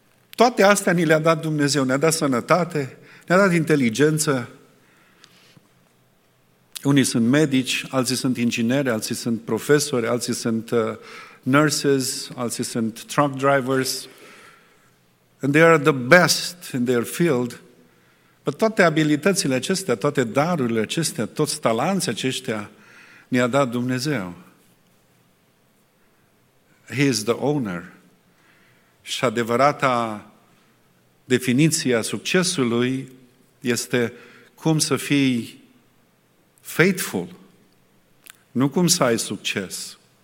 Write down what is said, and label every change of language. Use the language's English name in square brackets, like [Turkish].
[Romanian] Toate astea ni le-a dat Dumnezeu, ne-a dat sănătate, ne-a dat inteligență. Unii sunt medici, alții sunt ingineri, alții sunt profesori, alții sunt nurses, alții sunt [English] truck drivers. And they are the best in their field. [Romanian] Dar toate abilitățile acestea, toate darurile acestea, toți talanții aceștia, ne-a dat Dumnezeu. [English] He is the owner. [Romanian] Și adevărata definiție a succesului este cum să fii faithful, nu cum să ai succes.